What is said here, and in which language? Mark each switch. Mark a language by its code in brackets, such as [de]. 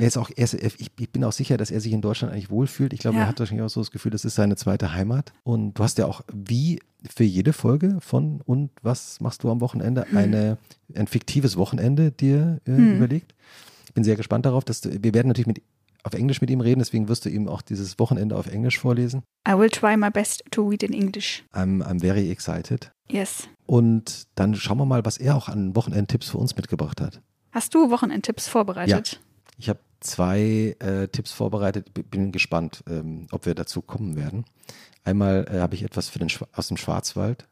[de] Ich bin auch sicher, dass er sich in Deutschland eigentlich wohlfühlt. Ich glaube, ja. Er hat wahrscheinlich auch so das Gefühl, das ist seine zweite Heimat. Und du hast ja auch, wie für jede Folge von Und was machst du am Wochenende, ein fiktives Wochenende dir überlegt. Ich bin sehr gespannt darauf, wir werden natürlich auf Englisch mit ihm reden, deswegen wirst du ihm auch dieses Wochenende auf Englisch vorlesen. [en] I will try my best to read in English. I'm very excited. Yes. [de] Und dann schauen wir mal, was er auch an Wochenendtipps für uns mitgebracht hat. Hast du Wochenendtipps vorbereitet? Ja, ich habe zwei Tipps vorbereitet. Bin gespannt, ob wir dazu kommen werden. Einmal habe ich etwas aus dem Schwarzwald.